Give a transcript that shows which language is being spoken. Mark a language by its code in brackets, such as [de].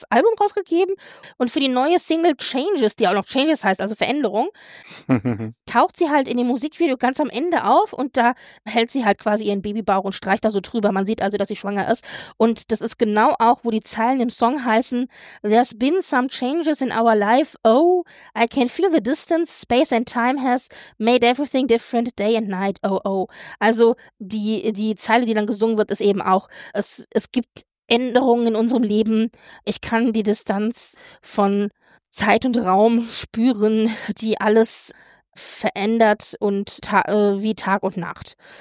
[de] Album rausgegeben und für die neue Single Changes, die auch noch Changes heißt, also Veränderung, taucht sie halt in dem Musikvideo ganz am Ende auf und da hält sie halt quasi ihren Babybauch und streicht da so drüber. Man sieht also, dass sie schwanger ist. Und das ist genau auch, wo die Zeilen im Song heißen: [en] There's been some changes in our life. Oh, I can feel the distance. Space and time has made everything different day and night. Oh, oh. [de] Also die Zeile, die dann gesungen wird, ist eben auch, es gibt Änderungen in unserem Leben. Ich kann die Distanz von Zeit und Raum spüren, die alles verändert und wie Tag und Nacht.